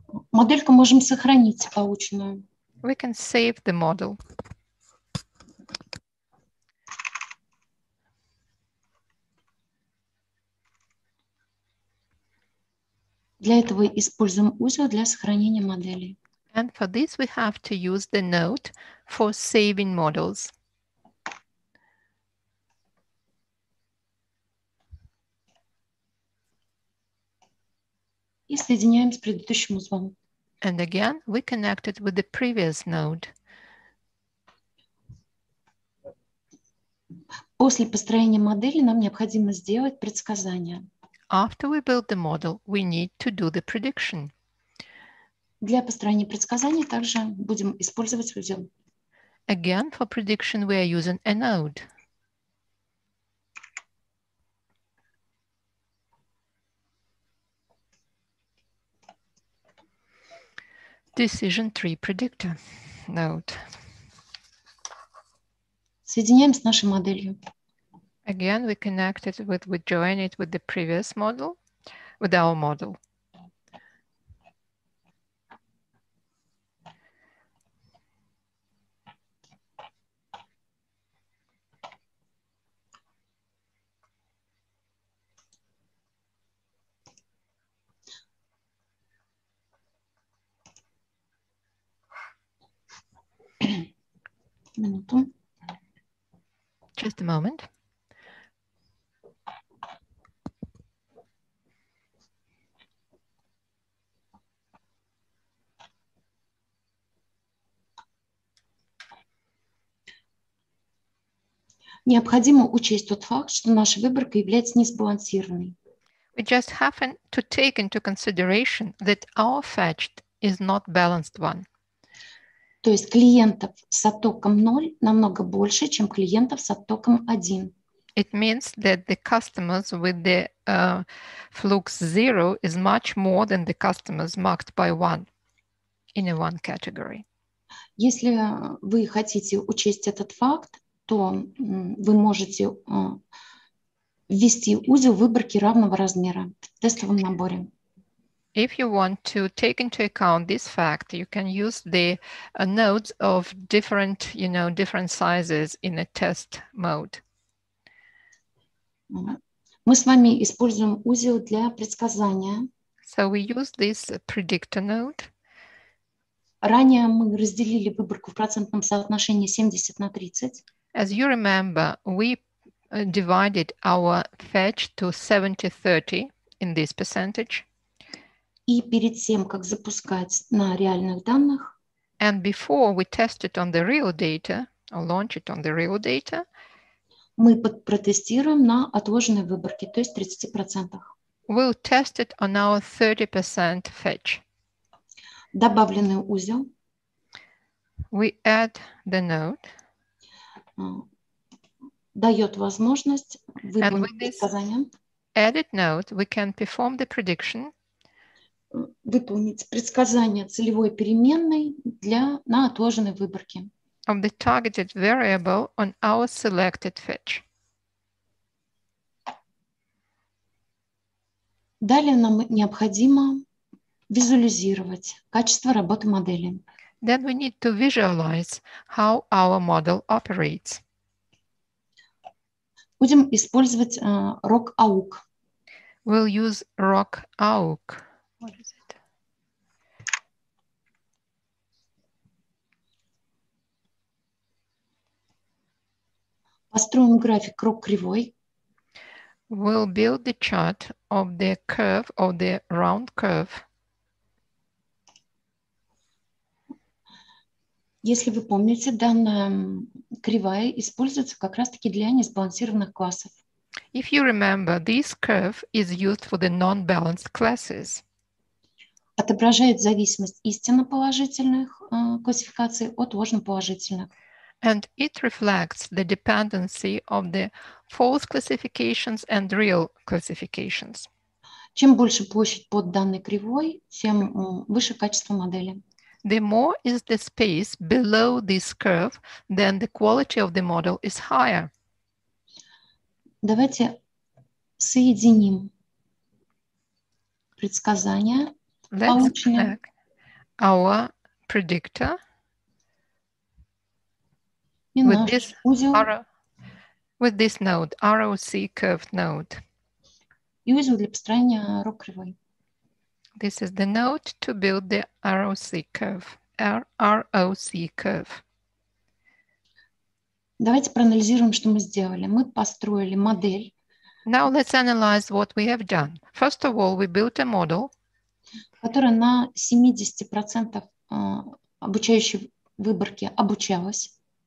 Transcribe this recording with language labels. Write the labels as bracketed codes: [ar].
[ru] Модельку можем сохранить полученную. [en] We can save the model. [ru] Для этого используем узел для сохранения моделей. [en] And for this we have to use the node for saving models. [ru] И соединяем с предыдущим узлом. [en] And again, we connect it with the previous node. [ru] После построения модели нам необходимо сделать предсказание. [en] After we build the model, we need to do the prediction. [ru] Для построения предсказаний также будем использовать узел. [en] Again, for prediction, we are using a node. Decision tree predictor node. [ru] Соединяем с нашей моделью. [en] Again, we connect it with, we join it with the previous model, with our model. Just a moment. [ru] Необходимо учесть тот факт, что наша выборка является несбалансированной. [en] We just have to take into consideration that our fetched is not balanced one. [ru] То есть клиентов с оттоком 0 намного больше, чем клиентов с оттоком 1. [en] It means that the customers with the flux 0 is much more than the customers marked by 1 in a 1 category. [ru] Если вы хотите учесть этот факт, то вы можете ввести узел выборки равного размера в тестовом наборе. [en] If you want to take into account this fact, you can use the nodes of different, you know, different sizes in a test mode. [ru] Мы с вами используем узел для предсказания. [en] So we use this predictor node. [ru] Ранее мы разделили выборку в процентном соотношении 70 на 30. [en] As you remember, we divided our fetch to 70-30 in this percentage. [ru] И перед тем, как запускать на реальных данных, [en] and before we test it on the real data, or launch it on the real data, [ru] мы протестируем на отложенной выборке, то есть 30%. [en] We'll test it on our 30% fetch. [ru] Добавленный узел. [en] We add the node. [ru] Дает возможность выполнить предсказание. [en] Added node, we can perform the prediction. [ru] Выполнить предсказание целевой переменной для на отложенной выборке. [en] Of the targeted variable on our selected fetch. [ru] Далее нам необходимо визуализировать качество работы модели. [en] Then we need to visualize how our model operates. [ru] Будем использовать ROC-AUK. [en] We'll use ROC-AUK. What is it? [ru] Построим график ROC-кривой. [en] We'll build the chart of the curve, of the round curve. [ru] Если вы помните, данная кривая используется как раз-таки для несбалансированных классов. [en] If you remember, this curve is used for the non-balanced classes. [ru] Отображает зависимость истинно положительных классификаций от ложно положительных. [en] And it reflects the dependency of the false classifications and real classifications. [ru] Чем больше площадь под данной кривой, тем выше качество модели. [en] The more is the space below this curve, then the quality of the model is higher. [ru] Давайте соединим предсказания, полученные. [en] Our predictor with this node, ROC curved node. [ru] И узел для построения ROC-кривой. [en] This is the node to build the ROC curve. ROC curve. [ru] Давайте проанализируем, что мы сделали. Мы построили модель. [en] Now let's analyze what we have done. First of all, we built a model, [ru] которая на 70% обучающей выборке обучалась,